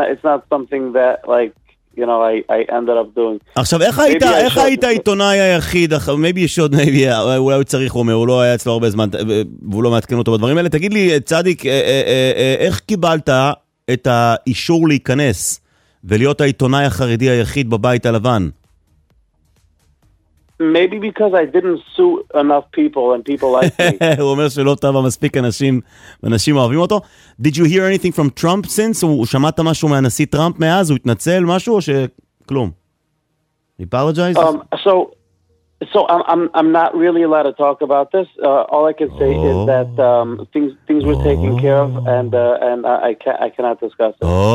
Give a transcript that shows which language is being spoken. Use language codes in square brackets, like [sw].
[en] it's not something that like you know I ended up doing. [he] עכשיו איך היית עיתונאי היחיד? אולי הוא צריך אומר, הוא לא היה אצלו הרבה זמן, והוא לא מעדכן אותו בדברים האלה. תגיד לי, צדיק, איך קיבלת את האישור להיכנס ולהיות העיתונאי החרדי היחיד בבית הלבן? [en] Maybe because I didn't sue enough people and people like me. [he] הוא אומר שלא טוב מספיק אנשים אוהבים אותו. [en] Did you hear anything from Trump since? [he] הוא שמעת משהו מהנשיא טראמפ מאז? הוא התנצל משהו או שכלום? [en] He apologized? So I'm not really allowed to talk about this. All I can say is that things were taken care of and I cannot discuss it.